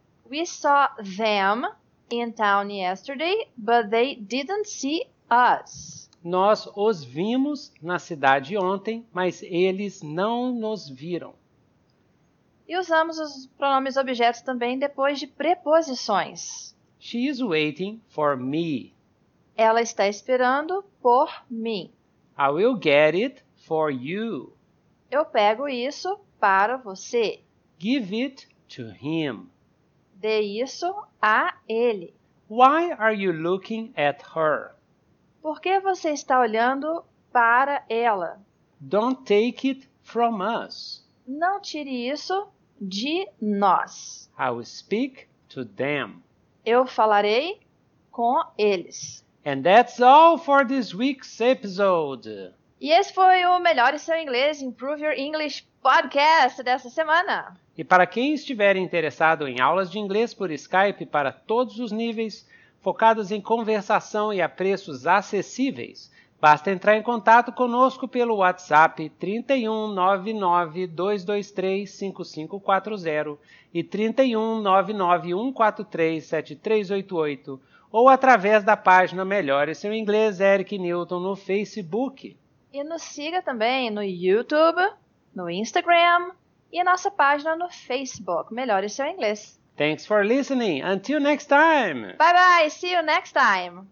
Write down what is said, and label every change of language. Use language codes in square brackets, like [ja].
[en] We saw them in town yesterday, but they didn't see us. [pt] Nós os vimos na cidade ontem, mas eles não nos viram. E usamos os pronomes objetos também depois de preposições. [en] She is waiting for me. [pt] Ela está esperando por mim. [en] I will get it for you. [pt] Eu pego isso para você. [en] Give it to him. [pt] Dê isso a ele. [en] Why are you looking at her? [pt] Por que você está olhando para ela? [en] Don't take it from us. [pt] Não tire isso de nós. [en] I will speak to them. [pt] Eu falarei com eles. [en] And that's all for this week's episode. [pt] E esse foi o Melhore Seu Inglês, Improve Your English Podcast dessa semana. E para quem estiver interessado em aulas de inglês por Skype para todos os níveis, focadas em conversação e a preços acessíveis, basta entrar em contato conosco pelo WhatsApp 3199-223-5540 e 3199-143-7388 ou através da página Melhore Seu Inglês Eric Newton no Facebook. E nos siga também no YouTube, no Instagram e nossa página no Facebook, Melhore Seu Inglês. [en] Thanks for listening. Until next time. Bye-bye. See you next time.